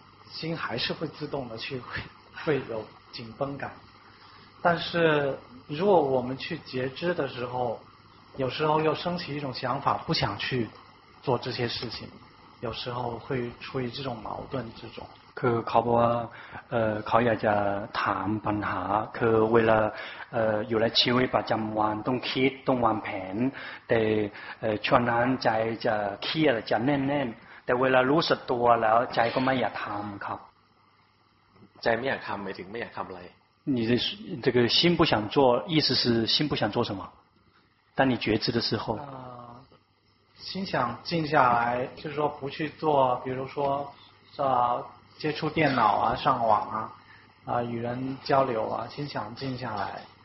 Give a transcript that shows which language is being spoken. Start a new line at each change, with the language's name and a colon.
Chinese: 心还是会自动的去会有紧绷感但是如果我们去觉知的时候有时候又升起一种想法不想去做这些事情有时候会出于这种矛盾之中
Thai: คือเขาบอกว่าเขาอยากจะถามปัญหาคือเวลาอยู่ในชีวิตประจำวันต้องคิดต้องวางแผนแต่ช่วงนั้นใจจะเครียดจะแน่นๆแต่เวลารู้สึกตัวแล้วใจก็ไม่อยากทำครับ ใจไม่อยากทำหมายถึงไม่อยากทำอะไร
Chinese: 你的这个心不想做意思是心不想做什么当你觉知的时候心想静下来就是说不去做比如说接触电脑啊上网啊与人交流啊心想静下来